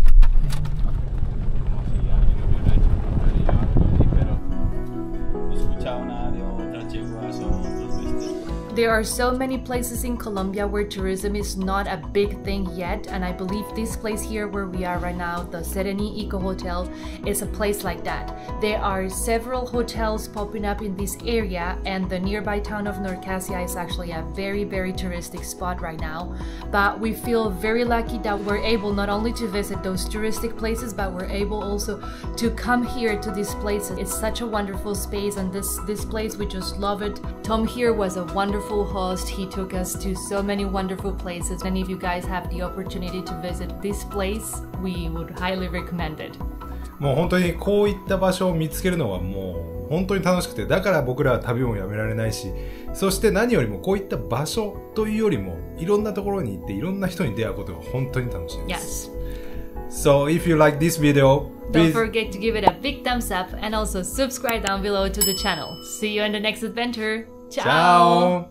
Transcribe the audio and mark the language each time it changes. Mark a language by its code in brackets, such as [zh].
[en] What I like the most is sauce here. Okay, yeah, escuchaba una de otra chihuahua solo dos veces. There are so many places in Colombia where tourism is not a big thing yet, and I believe this place here where we are right now, the Sereni Eco Hotel, is a place like that. There are several hotels popping up in this area, and the nearby town of Norcasia is actually a very, very touristic spot right now. But we feel very lucky that we're able not only to visit those touristic places, but we're able also to come here to this place. It's such a wonderful space, and this place, we just love it. Tom here was a wonderful host. He took us to so many wonderful places. Any of you guys have the opportunity to visit this place, we would highly recommend it. [ja] もう本当にこういった場所を見つけるのはもう本当に楽しくて、だから僕らは旅もやめられないし、そして何よりもこういった場所というよりも、いろんなところに行っていろんな人に出会うことが本当に楽しいです。 [en] Yes. So if you like this video, don't forget to give it a big thumbs up and also subscribe down below to the channel. See you in the next adventure. Ciao!